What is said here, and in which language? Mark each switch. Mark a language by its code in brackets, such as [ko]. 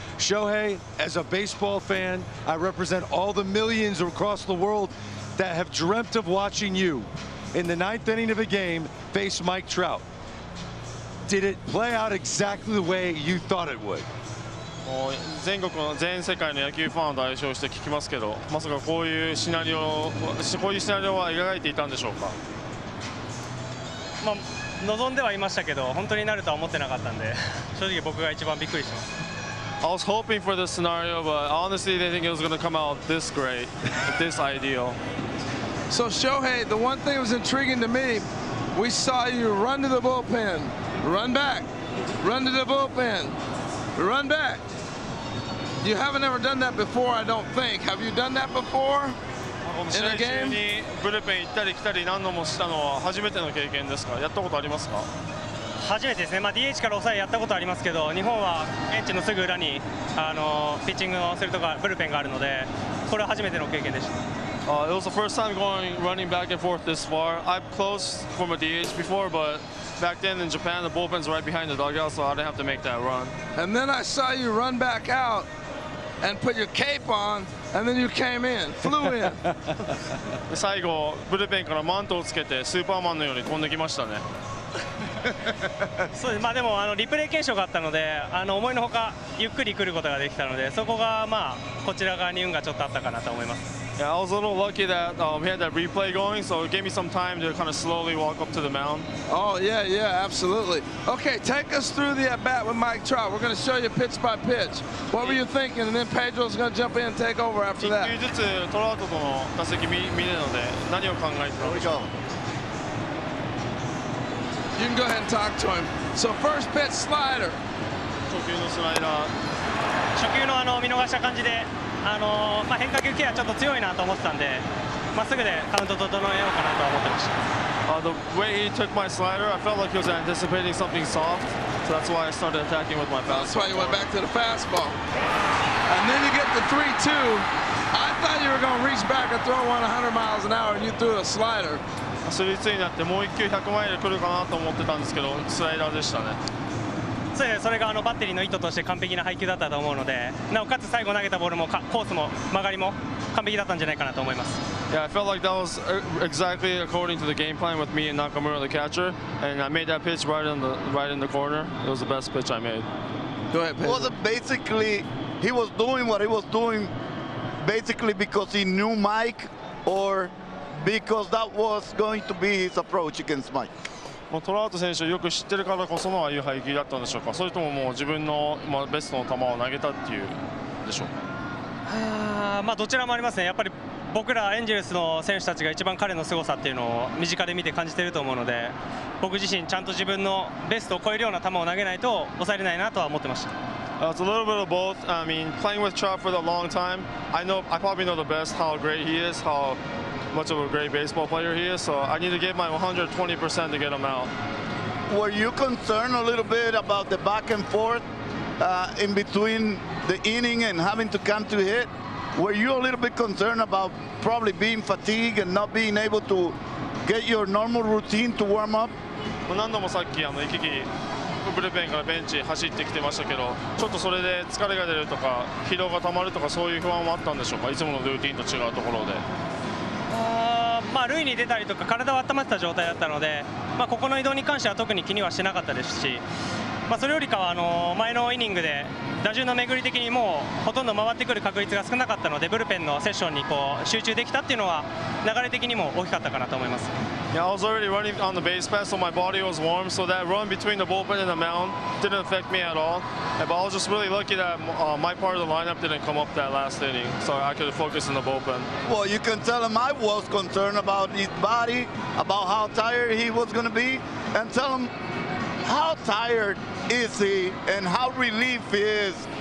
[en] Shohei, as a baseball fan, I represent all the millions across the world that have dreamt of watching you in the ninth inning of a game face Mike Trout. Did it play out exactly the way you thought it would? [ja] もう全国の全世界の野球ファンを代表して聞きますけど、まさかこういうシナリオ、こういうシナリオは描いていたんでしょうか。まあ望んではいましたけど、本当になるとは思ってなかったんで、正直僕が一番びっくりしました。 [en] I was hoping for this scenario, but honestly, didn't think it was going to come out this great, this ideal. So Shohei, the one thing that was intriguing to me, we saw you run to the bullpen, run back, run to the bullpen. Run back. You haven't ever done that before, I don't think. Have you done that before in a game? [ja] ブルペン行ったり来たり何度もしたのは初めての経験ですか。やったことありますか。初めてですね。まあ DH から抑えやったことありますけど、日本はベンチのすぐ裏にピッチングをするとかブルペンがあるので、これは初めての経験でした。 [en] It was the first time going running back and forth this far. I've closed from a DH before, but back then in Japan, the bullpen's right behind the dugout, so I didn't have to make that run. And then I saw you run back out and put your cape on, and then you came in, flew in. [ja] 最後、ブルペンからマントをつけてスーパーマンのように飛んできましたね。そうです。まあでもリプレイ検証があったので、思いのほかゆっくり来ることができたので、そこがまあこちら側に運がちょっとあったかなと思います。 [en] Yeah, I was a little lucky that we had that replay going, so it gave me some time to kind of slowly walk up to the mound. Oh, yeah, yeah, absolutely. Okay, take us through the at-bat with Mike Trout. We're going to show you pitch by pitch. What were you thinking? And then Pedro's going to jump in and take over after that. [ja] 1球ずつトラウトとの打席見るので、何を考えてたんでしょう? [en] You can go ahead and talk to him. So first pitch, slider. [ja] 初球のスライダー。初球の見逃した感じで、まあ、変化球系はちょっと強いなと思ってたんで、まっすぐでカウント整えようかなと思ってました。 [en] The way he took my slider, I felt like he was anticipating something soft, so that's why I started attacking with my fastball. That's why you went back to the fastball. And then you get the 3-2. I thought you were going to reach back and throw one 100 miles an hour, and you threw a slider. [ja] 3-2 になってもう1球100マイル来るかなと思ってたんですけど、スライダーでしたね。それがバッテリーの意図として完璧な配球だったと思うので、なおかつ最後投げたボールもコースも曲がりも完璧だったんじゃないかなと思います。 [en] Yeah, I felt like that was exactly according to the game plan with me and Nakamura, the catcher, and I made that pitch right in the corner. It was the best pitch I made. Go ahead, Pedro. Was it basically he was doing what he was doing basically because he knew Mike or because that was going to be his approach against Mike? [ja] トラウト選手をよく知ってるからこそのああいう配球だったんでしょうか、それとももう自分のベストの球を投げたっていうでしょうか。まあどちらもありますね。やっぱり僕らエンジェルスの選手たちが一番彼の凄さっていうのを身近で見て感じてると思うので、僕自身ちゃんと自分のベストを超えるような球を投げないと抑えれないなとは思ってました。 [en] It's a little bit of both. I mean, playing with Trout for a long time, I probably know the best how great he is, how much of a great baseball player he is. So I need to give my 120% to get him out. Were you concerned a little bit about the back and forth in between the inning and having to come to hit? Were you a little bit concerned about probably being fatigued and not being able to get your normal routine to warm up? [ja] 何度もさっき行き来ブルペンからベンチ走ってきてましたけど、ちょっとそれで疲れが出るとか疲労がたまるとかそういう不安もあったんでしょうか、いつものルーティンと違うところで。まあ塁に出たりとか体を温まった状態だったので、まあ、ここの移動に関しては特に気にはしてなかったですし、まあ、それよりかは前のイニングで打順の巡り的にもうほとんど回ってくる確率が少なかったので、ブルペンのセッションにこう集中できたっていうのは流れ的にも大きかったかなと思います。 [en] Yeah, I was already running on the base pass, so my body was warm, so that run between the bullpen and the mound didn't affect me at all. But I was just really lucky that my part of the lineup didn't come up that last inning, so I could focus on the bullpen. Well, you can tell him I was concerned about his body, about how tired he was going to be, and tell him how tired is he and how relieved he is.